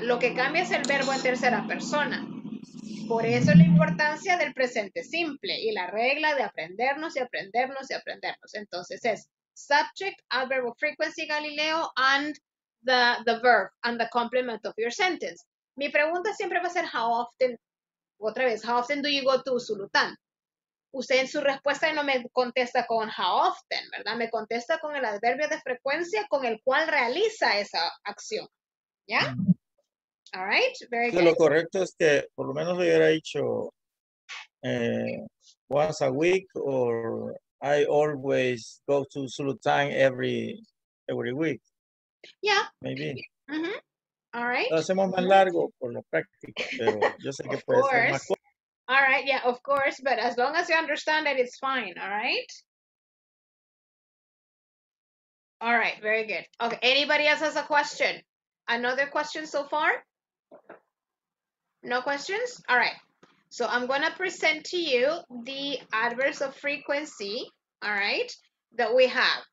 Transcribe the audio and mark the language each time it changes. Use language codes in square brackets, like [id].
[es] Lo que cambia es el verbo en tercera persona. Por eso la importancia del presente simple y la regla de aprendernos y aprendernos y aprendernos. Entonces es [en] subject, adverb of frequency, Galileo, and the verb and the complement of your sentence. [es] Mi pregunta siempre va a ser [en] how often, [es] otra vez, [en] how often do you go to Usulután? [es] Usted en su respuesta no me contesta con [en] how often, [es] ¿verdad? Me contesta con el adverbio de frecuencia con el cual realiza esa acción, ¿ya? [en] All right, very good. [es] Lo correcto es que por lo menos le hubiera dicho [en] once a week or I always go to Usulután every week. Yeah. Maybe. Mm-hmm. All right. [es] Lo hacemos más largo por la práctica, pero yo sé que puede ser más corto. [en] All right, yeah, of course, but as long as you understand it, it's fine, all right? All right, very good. Okay, anybody else has a question? Another question so far? No questions? All right, so I'm going to present to you the adverbs of frequency, all right, that we have.